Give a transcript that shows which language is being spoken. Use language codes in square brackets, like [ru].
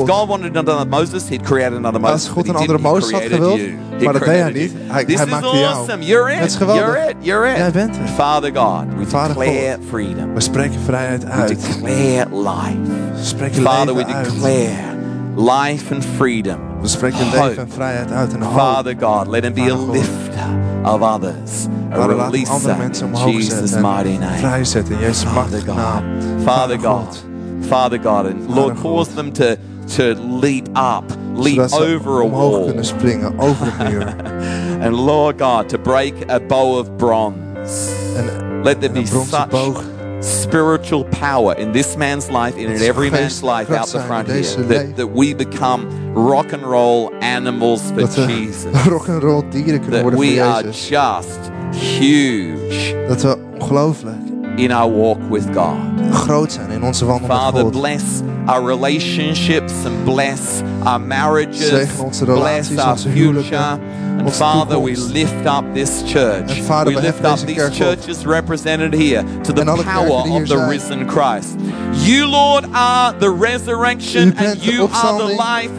[en] If God wanted another Moses, he'd create another Moses. [nl] Als God een andere Mozes had gewild, maar dat deed hij niet. Hij maakte [en] awesome. [nl] Jou. [en] This is awesome. You're in. [nl] Het is geweldig. [en] You're it. [nl] Jij bent het. [en] Father God, we declare freedom. [nl] We spreken vrijheid uit. [en] We declare life. Father, we declare life and freedom. [nl] We spreken leven en vrijheid uit en hoop. [en] Father God, let him be a lifter of others. A releaser in Jesus' mighty name. Father God. Father God. Father God. And Lord, cause them to leap up. Leap over a wall. And Lord God, to break a bow of bronze. Let there be such spiritual power in this man's life and in every man's life out the front here that we become rock and roll animals for Jesus. [nl] Rock and roll dieren kunnen worden [en] we are just huge [nl] dat we ongelooflijk [en] in our walk with God. [nl] Groot zijn in onze wandel [en] Father, [nl] met God. [en] Bless our relationships and bless our marriages. [nl] Zegen onze relaties, [en] bless our [nl] onze [en] future. And Father, we lift up this church. [nl] Vader, [en] we lift up these churches represented here to the power of the risen Christ. You, Lord, are the resurrection and you are the life.